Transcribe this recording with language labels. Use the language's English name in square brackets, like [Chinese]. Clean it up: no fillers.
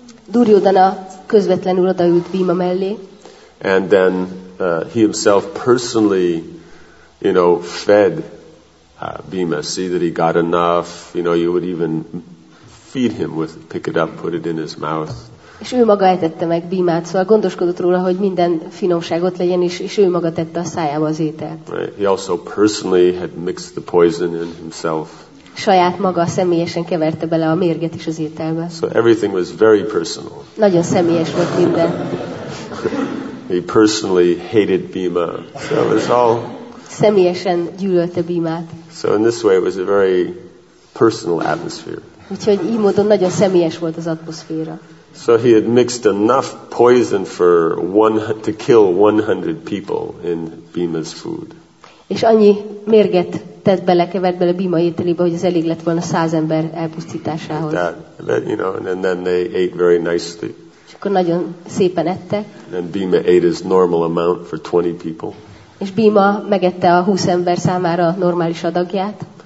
[Hungarian] Duryodhana közvetlenül odaült Bhima mellé. [English] And then he himself personally, you know, fed Bhima. See that he got enough. You know, you would even feed him with pick it up, put it in his mouth. [Hungarian] És ő maga etette meg Bhimát, szóval gondoskodott róla, hogy minden finomságot legyen, és ő maga tette a szájába az ételt. [English] Right. He also personally had mixed the poison in himself. [Hungarian] Saját maga személyesen keverte bele a mérget is az ételbe. [English] So everything was very personal. [Hungarian] Nagyon személyes volt minden. [English] He personally hated Bhima. So it was all... [Hungarian] Személyesen gyűlölte Bhimát. [English] So in this way it was a very personal atmosphere. [Hungarian] Úgyhogy így módon nagyon személyes volt az atmoszféra. [English] So he had mixed enough poison for to kill 100 people in Bhima's food. [Hungarian] És annyi mérget tett bele, kevert bele Bhima ételébe, hogy ez elég lett volna 100 ember elpusztításához. [English] And then they ate very nicely. [Hungarian] És akkor nagyon szépen ettek. [English] And Bhima ate his normal amount for 20 people. [Hungarian] És Bhima megette a 20 ember számára a normális adagját.